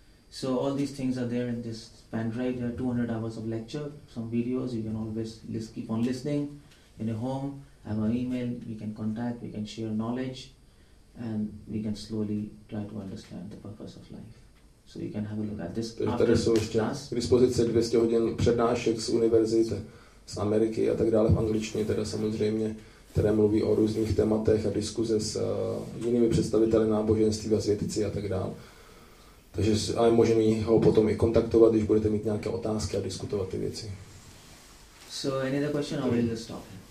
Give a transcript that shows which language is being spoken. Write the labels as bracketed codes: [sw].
[en] So all these things are there in this pen drive. There are 200 hours of lecture, some videos. You can always keep on listening in your home. Have an email. We can contact. We can share knowledge, and we can slowly try to understand the purpose of life. So you can have a look at this. [cs] Tady jsou ještě k dispozici 200 hodin přednášek z univerzit, z Ameriky a tak dále v angličtině, teda samozřejmě, které mluví o různých tématech a diskuze s jinými představiteli náboženství a světici a tak dále. Takže ale můžeme ho potom i kontaktovat, když budete mít nějaké otázky a diskutovat ty věci. [en] So any other question or will you stop?